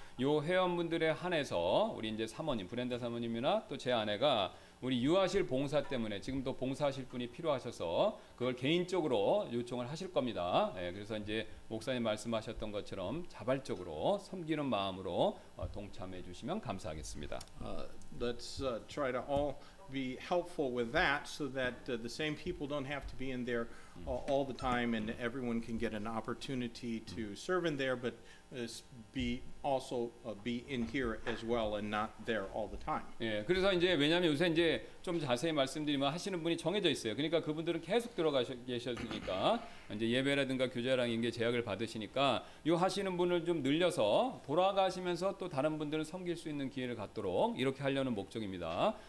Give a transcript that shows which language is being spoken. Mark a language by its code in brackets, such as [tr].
[ko] 요 회원분들의 한해서 우리 이제 사모님, 브랜드 사모님이나 또 제 아내가 우리 유아실 봉사 때문에 지금도 봉사하실 분이 필요하셔서 그걸 개인적으로 요청을 하실 겁니다. 예, 그래서 이제 목사님 말씀하셨던 것처럼 자발적으로 섬기는 마음으로 동참해 주시면 감사하겠습니다. [en] Let's try to all be helpful with that so that the same people don't have to be in there all the time and everyone can get an opportunity to serve in there but be in here as well and not there all the time. [ko] 예, 그래서 이제 왜냐면 요새 이제 좀 자세히 말씀드리면 하시는 분이 정해져 있어요. 그러니까 그분들은 계속 들어가 계셨으니까 이제 예배라든가 교제랑 이게 제약을 받으시니까 요 하시는 분을 좀 늘려서 돌아가시면서 또 다른 분들을 섬길 수 있는 기회를 갖도록 이렇게 하려는 목적입니다.